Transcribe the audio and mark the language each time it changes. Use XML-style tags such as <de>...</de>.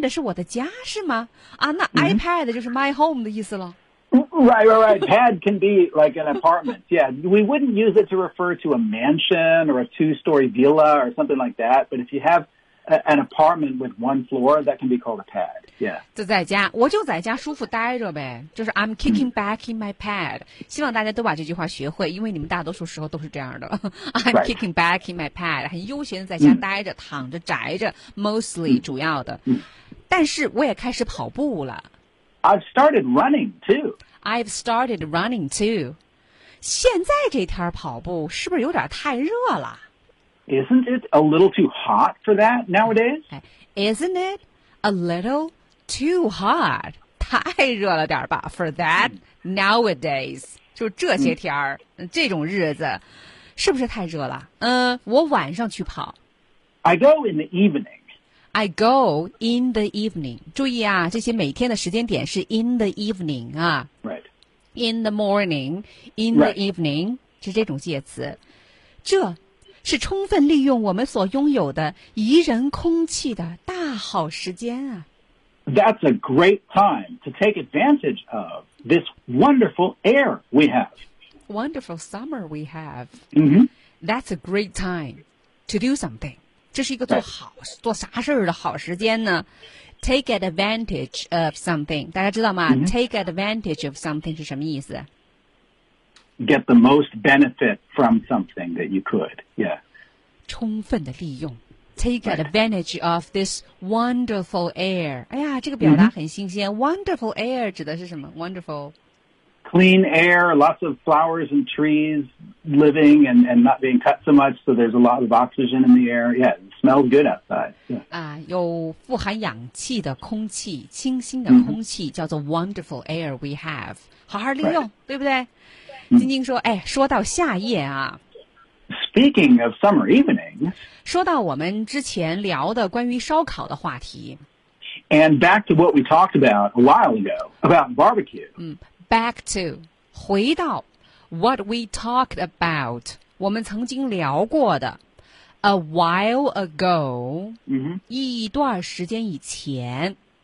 <zh>Pad 是我的家是吗？啊，那 iPad 就是</zh> <en>my home</en> <zh>的意思了。</zh> <en>Right, right, right. Pad can be like an apartment. Yeah, we wouldn't use it to refer to a mansion or a two-story villa or something like that. But if you have an apartment with one floor, that can be called a pad. Yeah.</en> <zh>就在家，我就在家舒服待着呗。就是</zh> <en>I'm kicking back in my pad.</en> <zh>希望大家都把这句话学会，因为你们大多数时候都是这样的。</zh> <en>I'm、 right. kicking back in my pad.</en> <zh>很悠闲的在家待着、躺着、宅着 ，mostly 主要的。但是我也开始跑步了。</zh> <en>I've started running too. I've started running too.</en> <zh>现在这天跑步是不是有点太热了</zh> <en>？Isn't it a little too hot for that nowadays? Isn't it a little too hot?</en> <zh>太热了点吧 ？</zh> <en>For that nowadays,</en> <zh>就这些天儿、这种日子，是不是太热了？我晚上去跑。</zh> <en>I go in the evening. I go in the evening.</en> <zh>注意啊，这些每天的时间点是 in the evening 啊。</zh> <en>Right. In the morning, in the evening,、 right.</en> <zh>是这种介词。这是充分利用我们所拥有的宜人空气的大好时间啊。</zh> <en>That's a great time to take advantage of this wonderful air we have. Wonderful summer we have.、 Mm-hmm. That's a great time to do something.</en> <zh>这是一个做好、</zh> <en>right.</en> <zh>做啥事儿的好时间呢 ？</zh> <en>Take advantage of something，</en> <zh>大家知道吗、 mm-hmm.</zh> <en>？Take advantage of something</en> <zh>是什么意思</zh> <en>？Get the most benefit from something that you could， yeah。</en> <zh>充分的利用</zh> <en>，take advantage of this wonderful air。</en> <zh>哎呀，这个表达很新鲜。 Mm-hmm.</zh> <en>Wonderful air</en> <zh>指的是什么</zh> <en>？Wonderful。 Clean air, lots of flowers and trees living and not being cut so much, so there's a lot of oxygen in the air. Yeah, it smells good outside. Yeah.</en> <zh>有富含氧气的空气，清新的空气、 mm-hmm.</zh> <en>叫做 wonderful air we have.</en> <zh>好好利用、</zh> <en>right.</en> <zh>对不对、 mm-hmm. 晶晶说哎，说到夏夜啊。</zh> <en>Speaking of summer evenings.</en> <zh>说到我们之前聊的关于烧烤的话题。</zh> <en>And back to what we talked about a while ago, about barbecue. 嗯。Back to, 回到 what we talked about,</en> <zh>我们曾经聊过的</zh> <en>a while ago,、 mm-hmm.</en> <zh>一段时间以前、</zh>